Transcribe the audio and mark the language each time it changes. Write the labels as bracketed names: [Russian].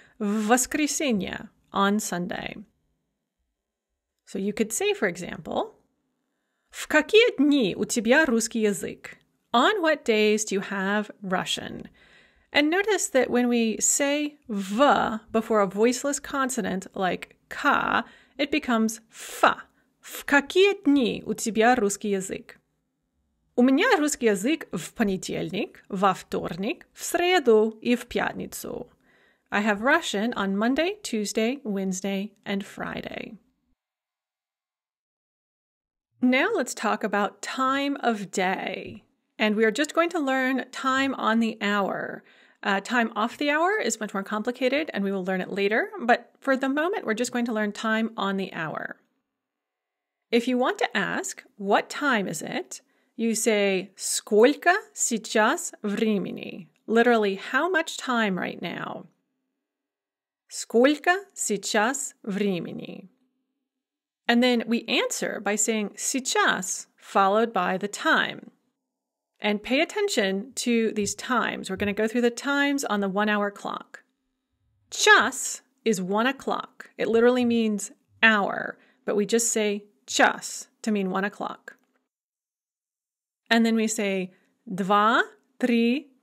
[Russian] В воскресенье [English] on Sunday. So you could say, for example, [Russian] в какие дни у тебя русский язык? [English] On what days do you have Russian? And notice that when we say V before a voiceless consonant like K, it becomes Fa. [Russian] В какие дни у тебя русский язык? У меня русский язык в понедельник, во вторник, в среду и в пятницу. [English] I have Russian on Monday, Tuesday, Wednesday, and Friday. Now let's talk about time of day. And we are just going to learn time on the hour. Time off the hour is much more complicated, and we will learn it later, but for the moment, we're just going to learn time on the hour. If you want to ask, what time is it? You say, [Russian] сколько сейчас времени? [English] Literally, how much time right now? [Russian] Сколько сейчас времени? [English] And then we answer by saying, сейчас, followed by the time. And pay attention to these times. We're going to go through the times on the one-hour clock. Час is 1 o'clock. It literally means hour, but we just say час to mean 1 o'clock. And then we say два, три,